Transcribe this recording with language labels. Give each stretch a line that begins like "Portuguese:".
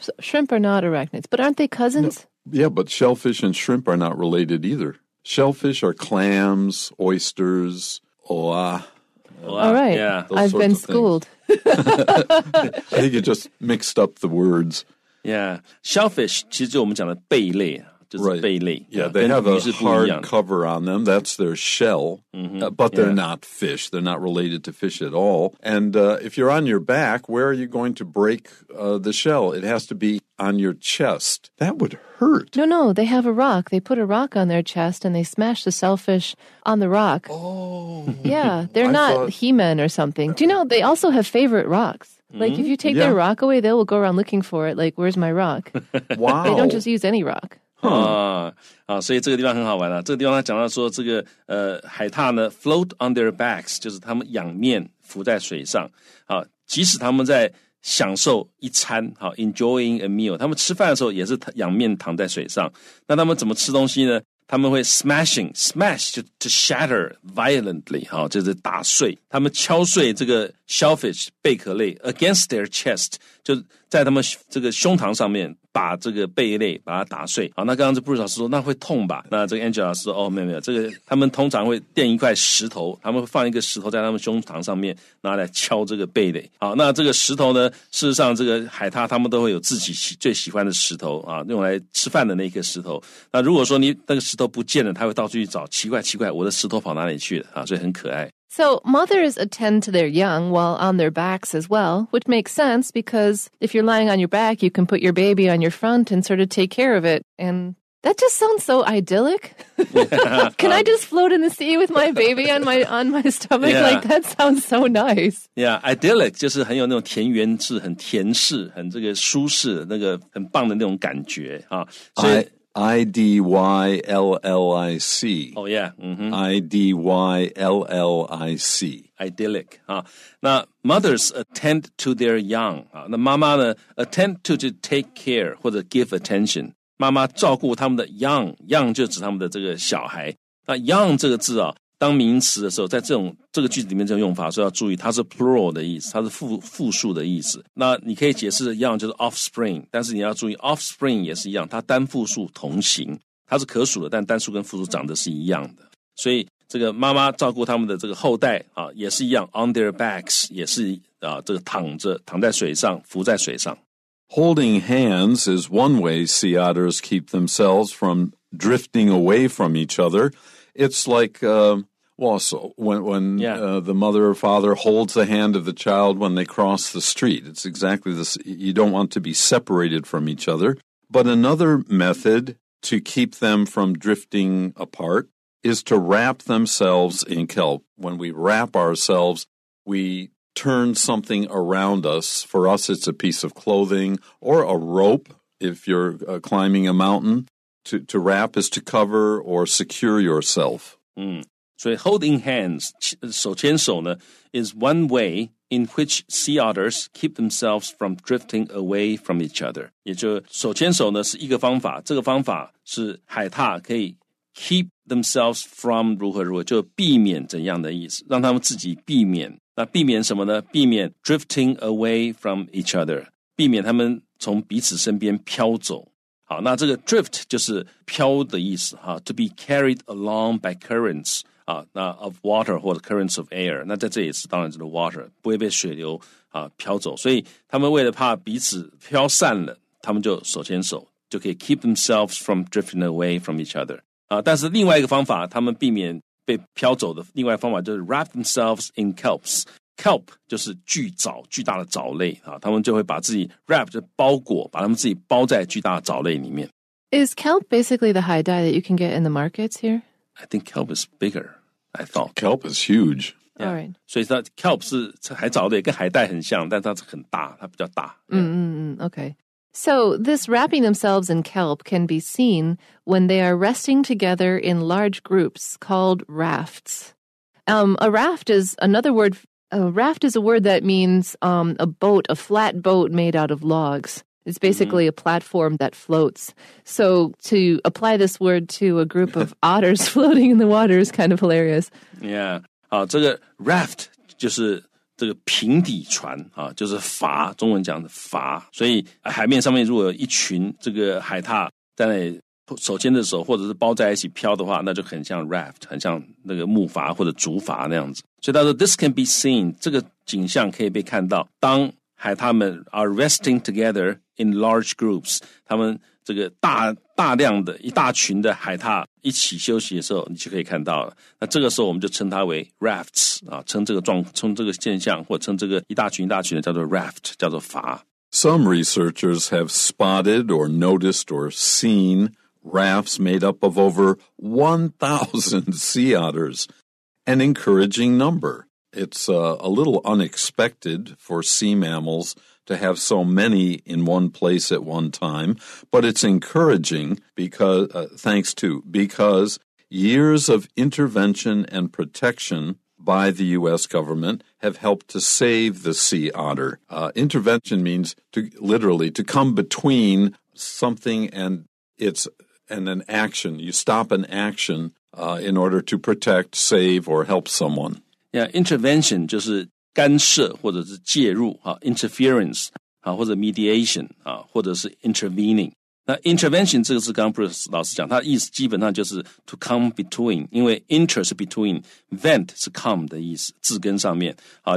English: So shrimp are not arachnids, but aren't they cousins? No. Yeah, but shellfish and shrimp are not related either. Shellfish are clams, oysters, oa. All right. Yeah. I've been schooled. I think you just mixed up the words. Yeah.
Chinese: Shellfish, 其实我们讲的贝类，就是贝类。
English: Right. Yeah, they have a hard cover on them. That's their shell. But they're not fish. They're not related to fish at all. And if you're on your back, where are you going to break the shell? It has to be on your chest. That would hurt. No, no. They have a rock. They put a rock on their chest and they smash the shellfish on the rock. Oh. Yeah. They're not he-men or something. Do you know, they also have favorite rocks. Like, if you take their rock away, they will go around looking for it. Like, where's my rock? Wow. They don't just use any rock. Huh.
Chinese: 所以这个地方很好玩啊。这个地方他讲到说这个海獭呢
English: float on their backs,
Chinese: 就是他们仰面浮在水上。即使他们在享受一餐
English: enjoying a meal,
Chinese: 他们吃饭的时候也是仰面躺在水上。那他们怎么吃东西呢？他们会 smash, 就
English: to shatter violently,
Chinese: 就是打碎。他们敲碎这个 shellfish, 贝壳类
English: against their chest,
Chinese: 就在他们这个胸膛上面把这个贝类把它打碎。好，那刚刚这 Bruce 老师说那会痛吧。那这个 Angela 老师说哦没有没有，这个他们通常会垫一块石头，他们会放一个石头在他们胸膛上面拿来敲这个贝类。好，那这个石头呢，事实上这个海獭他们都会有自己最喜欢的石头啊，用来吃饭的那个石头。那如果说你那个石头不见了，他会到处去找，奇怪奇怪，我的石头跑哪里去了啊，所以很可爱。
English: So mothers attend to their young while on their backs as well, which makes sense because if you're lying on your back, you can put your baby on your front and sort of take care of it. And That just sounds so idyllic. Can I just float in the sea with my baby on my stomach? Yeah. Like, that sounds so nice.
Chinese: Yeah, idyllic 就是很有那种田园式、很田式、很这个舒适、那个很棒的那种感觉啊。所以 idyllic.
English: Oh yeah. Idyllic.
Chinese: Idyllic 啊。那
English: mothers attend to their young
Chinese: 啊。 那妈妈呢 ？
English: Attend to take care
Chinese: 或者
English: give attention。
Chinese: 妈妈照顾他们的 young 就指他们的这个小孩。那 young 这个字啊，当名词的时候，在这个句子里面这个用法，所以要注意，它是 plural 的意思，它是复数的意思。那你可以解释 young 就是 offspring， 但是你要注意 offspring 也是一样，它单复数同形，它是可数的，但单数跟复数长得是一样的。所以这个妈妈照顾他们的这个后代啊，也是一样
English: on their backs，
Chinese: 也是啊，这个躺在水上，浮在水上。
English: Holding hands is one way sea otters keep themselves from drifting away from each other. It's like, the mother or father holds the hand of the child when they cross the street. It's exactly this. You don't want to be separated from each other. But another method to keep them from drifting apart is to wrap themselves in kelp. When we wrap ourselves, we... turn something around us. For us, it's a piece of clothing or a rope if you're climbing a mountain. To wrap is to cover or secure yourself. So holding hands,
Chinese: 手牵手呢,
English: is one way in which sea otters keep themselves from drifting away from each other.
Chinese: 也就手牵手呢是一个方法，这个方法是海獭可以
English: keep themselves from
Chinese: 如何如何，就避免怎样的意思，让他们自己避免。那避免什么呢？避免
English: drifting away from each other，
Chinese: 避免他们从彼此身边飘走。好，那这个 drift 就是飘的意思哈 ，
English: to be carried along by currents
Chinese: 啊，那
English: of water
Chinese: 或者
English: currents of air，
Chinese: 那在这里是当然就是 water， 不会被水流啊飘走。所以他们为了怕彼此飘散了，他们就手牵手，就可以
English: keep themselves from drifting away from each other。
Chinese: 啊，但是另外一个方法，他们避免被飘走的另外一个方法就是
English: wrap themselves in kelps.
Chinese: Kelp 就是巨藻，巨大的藻类啊，他们就会把自己 wrap 就包裹，把他们自己包在巨大的藻类里面。
English: Is kelp basically the high dye that you can get in the markets here? I think kelp is bigger. I thought kelp is huge. Yeah, all right.
Chinese: 所以说 kelp 是海藻类，跟海带很像，但它是很大，它比较大。
English: Okay. So this wrapping themselves in kelp can be seen when they are resting together in large groups called rafts. A raft is a word that means a boat, a flat boat made out of logs. It's basically a platform that floats. So to apply this word to a group of otters floating in the water is kind of hilarious. Yeah.
Chinese: 这个 raft 就是这个平底船啊，就是筏，中文讲的筏。所以海面上面如果有一群这个海獭在那里手牵着手，或者是包在一起飘的话，那就很像 raft， 很像那个木筏或者竹筏那样子。所以他说 ，
English: this can be seen，
Chinese: 这个景象可以被看到。当海獭们
English: are resting together in large groups，
Chinese: 他们这个大量的一大群的海獭一起休息的时候，你就可以看到了。那这个时候我们就称它为 rafts 啊，称这个现象或称这个一大群的叫做 raft， 叫做筏。
English: Some researchers have spotted or noticed or seen rafts made up of over 1,000 sea otters, an encouraging number. It's a little unexpected for sea mammals. To have so many in one place at one time, but it's encouraging because years of intervention and protection by the U.S. government have helped to save the sea otter. Intervention means to come between something and an action. You stop an action in order to protect, save, or help someone.
Chinese: Yeah, intervention 就是干涉或者是介入啊 ，interference 啊，或者 mediation 啊，或者是 intervening。那 intervention 这个字，刚刚 Bruce 老师讲，它意思基本上就是
English: to come between，
Chinese: 因为 inter 是 between，vent 是 come 的意思，字根上面啊。